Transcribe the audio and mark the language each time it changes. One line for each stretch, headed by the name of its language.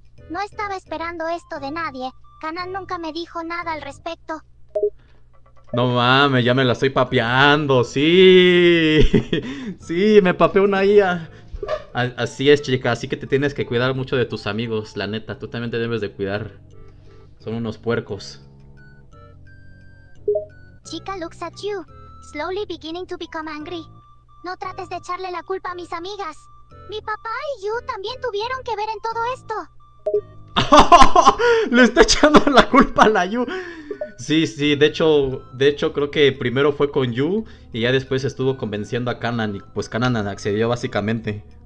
Spanish: No estaba esperando esto de nadie. Kanan nunca me dijo nada al respecto. No mames, ya me la estoy papeando. Sí. Sí, me papeó una IA. Así es, chica, así que te tienes que cuidar mucho de tus amigos, la neta, tú también te debes de cuidar. Son unos puercos.
English: Chica looks at you, slowly beginning to become angry.
Spanish: No trates de echarle la culpa a mis amigas. Mi papá y Yu también tuvieron que ver en todo esto. Le está echando la culpa a la Yu. Sí, sí, de hecho creo que primero fue con Yu y ya después estuvo convenciendo a Kanan y pues Kanan accedió básicamente.